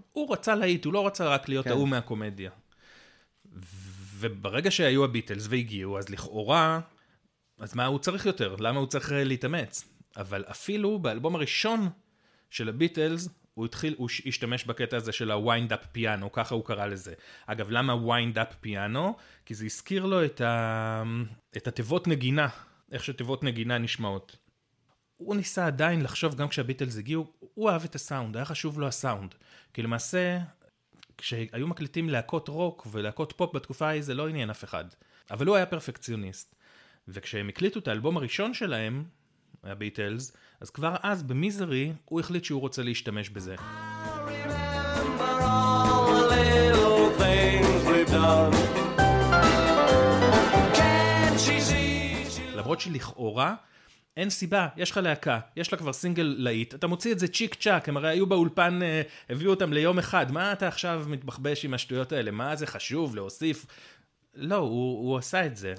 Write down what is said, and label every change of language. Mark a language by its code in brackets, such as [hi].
[he] הוא רצה להיט, הוא לא רצה רק להיות ההוא מהקומדיה. וברגע שהיו הביטלס והגיעו, אז לכאורה, אז מה הוא צריך יותר? למה הוא צריך להתאמץ? אבל אפילו באלבום הראשון של הביטלס, הוא השתמש בקטע הזה של ה-wind up piano, ככה הוא קרא לזה. אגב, למה wind up piano? כי זה הזכיר לו את התיבות נגינה. איך שתיבות נגינה נשמעות. הוא ניסה עדיין לחשוב, גם כשהביטלס הגיעו, הוא אהב את הסאונד, היה חשוב לו הסאונד. כי למעשה, כשהיו מקליטים להקות רוק ולהקות פופ בתקופה ההיא, זה לא עניין אף אחד. אבל הוא היה פרפקציוניסט. וכשהם הקליטו את האלבום הראשון שלהם, הביטלס, אז כבר אז במיזרי, הוא החליט שהוא רוצה להשתמש בזה. [en] I'll remember all the little things we've done. [he] למרות שלכאורה, אין סיבה, יש לך להקה, יש לה כבר סינגל להיט, אתה מוציא את זה צ'יק צ'אק, הם הרי היו באולפן, הביאו אותם ליום אחד, מה אתה עכשיו מתבחבש עם השטויות האלה, מה זה חשוב להוסיף? לא, הוא עשה את זה.